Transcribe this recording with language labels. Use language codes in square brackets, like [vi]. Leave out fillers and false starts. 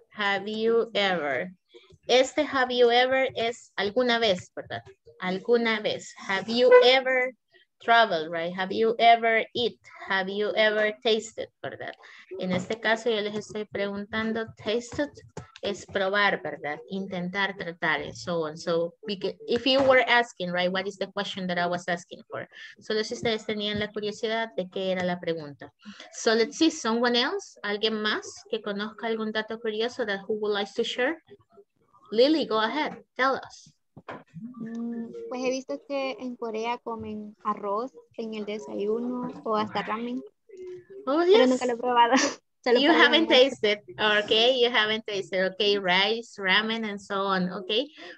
[es] Have you ever? Este have you ever es alguna vez, ¿verdad? Alguna vez. [en] Have you ever traveled, right? Have you ever eat? Have you ever tasted, ¿verdad? [es] En este caso yo les estoy preguntando, tasted es probar, ¿verdad? Intentar, tratar, and so on. [en] So if you were asking, right, what is the question that I was asking for? [es] Solo si ustedes tenían la curiosidad de qué era la pregunta. [en] So let's see, someone else, alguien más que conozca algún dato curioso that who would like to share? Lily, go ahead, tell us. [es] Pues he visto que en Corea comen arroz en el desayuno o hasta ramen. [en] Oh, yes. [es] Pero nunca lo he probado. Solo you haven't más. [en] Tasted, okay, you haven't tasted, okay, rice, ramen, and so on, okay.